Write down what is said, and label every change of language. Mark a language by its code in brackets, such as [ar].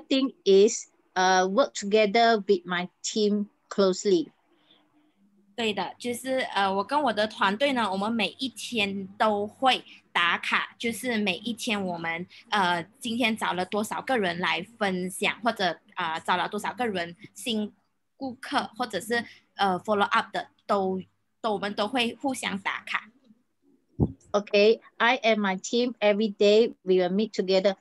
[en] thing is, work together with my team closely. [zh] 对的，就是我跟我的团队呢，我们每一天都会打卡，就是每一天我们今天找了多少个人来分享，或者找了多少个人新顾客，或者是follow up 的都。我们都会互相打卡。Okay, [en] I and my team every day we will meet together.